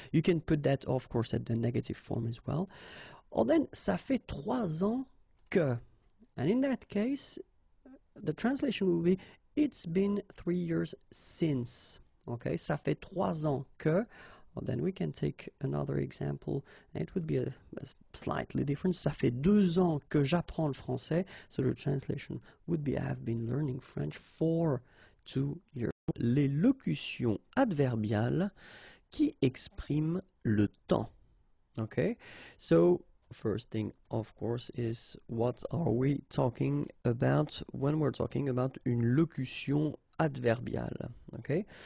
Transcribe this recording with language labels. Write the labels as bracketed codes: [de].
[en] You can put that, of course, at the negative form as well. Or then, [fr] ça fait trois ans que. [en] And in that case, the translation will be, it's been 3 years since, okay? [fr] Ça fait trois ans que. [en] Then we can take another example, and it would be a slightly different. [fr] Ça fait deux ans que j'apprends le français. [en] So the translation would be, I have been learning French for 2 years. [fr] Les locutions adverbiales qui expriment le temps. [en] Okay, so first thing, of course, is what are we talking about when we're talking about [fr] une locution adverbiale, [en] okay?